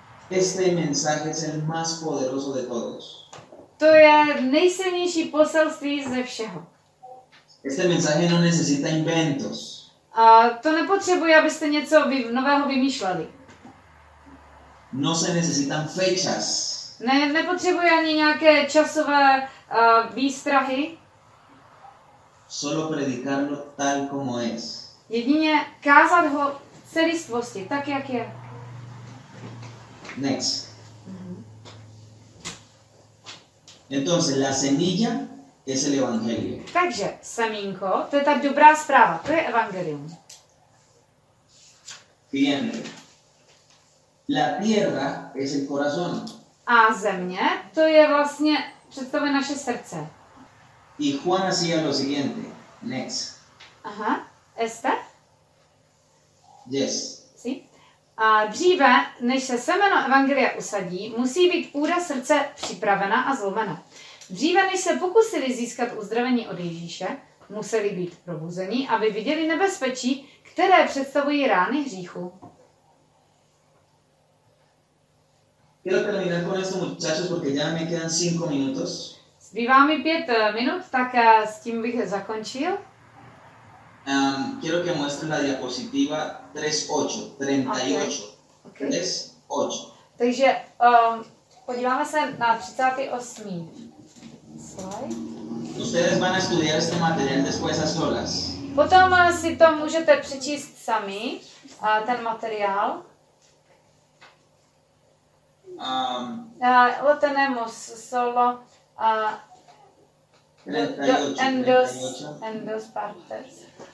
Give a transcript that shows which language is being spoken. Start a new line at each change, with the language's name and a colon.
Spanish: Este mensaje es el más poderoso de todos.
Czech: To je nejsilnější poselství ze všeho.
Spanish: Este mensaje no necesita inventos.
Czech: A to nepotřebuji, abyste něco nového vymýšleli.
Spanish: No se necesitan fechas.
Czech: Ne, nepotřebuji ani nějaké časové výstrahy.
Spanish: Solo predicarlo tal como es.
Czech: Jedině kázat ho v celistvosti, tak jak je.
English: Next.
Spanish: Entonces la semilla es el evangelio.
Czech: Takže semínko, to je ta dobrá zpráva, to je evangelium.
Spanish: Bien. La tierra es el corazón.
Czech: A země, to je vlastně představuje naše srdce.
Spanish: Y Juan hacía lo siguiente.
English: Next.
Spanish: Aha. Este?
English: Yes.
Spanish: Sí.
Czech: A dříve, než se semeno evangelia usadí, musí být půda srdce připravena a zlomena. Dříve, než se pokusili získat uzdravení od Ježíše, museli být probuzeni, aby viděli nebezpečí, které představují rány hříchu.
Spanish: Quiero terminar con esto, muchachos, porque ya me quedan 5 minutos.
Czech: Zbývá mi 5 minut, tak s tím bych zakončil.
Spanish: Quiero que muestren la diapositiva 38, 38.
English: Okay. 38.
Czech: Takže podíváme se na 38. slide.
Spanish: Ustedes van a estudiar este material después a solas.
Czech: Potom si to můžete přečíst sami, ten materiál.
Spanish: Lo tenemos solo en dos partes.